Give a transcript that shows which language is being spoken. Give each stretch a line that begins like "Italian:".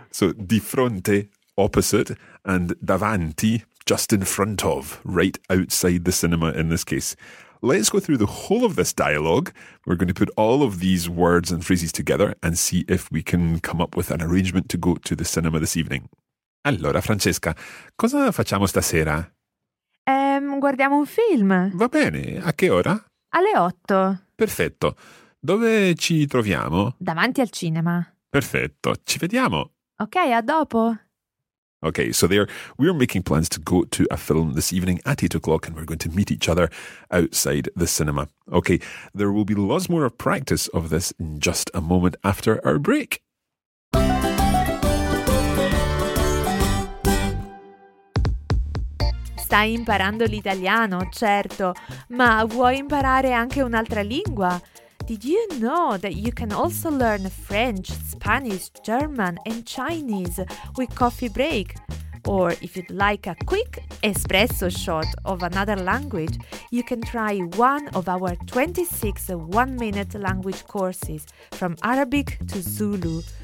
English: So di fronte, opposite, and davanti, just in front of, right outside the cinema in this case. Let's go through the whole of this dialogue. We're going to put all of these words and phrases together and see if we can come up with an arrangement to go to the cinema this evening.
Italian: Allora, Francesca, cosa facciamo stasera? Guardiamo un film. Va bene. A che ora? Alle otto. Perfetto. Dove ci troviamo? Davanti al cinema. Perfetto. Ci vediamo. Ok, a dopo.
English: Okay, so there, we're making plans to go to a film this evening at 8 o'clock and we're going to meet each other outside the cinema. Okay, there will be lots more of practice of this in just a moment after our break. St-
Italian: Stai imparando l'italiano, certo, ma vuoi imparare anche un'altra lingua?
English: Did you know that you can also learn French, Spanish, German and Chinese with Coffee Break? Or if you'd like a quick espresso shot of another language, you can try one of our 26 one-minute language courses from Arabic to Zulu.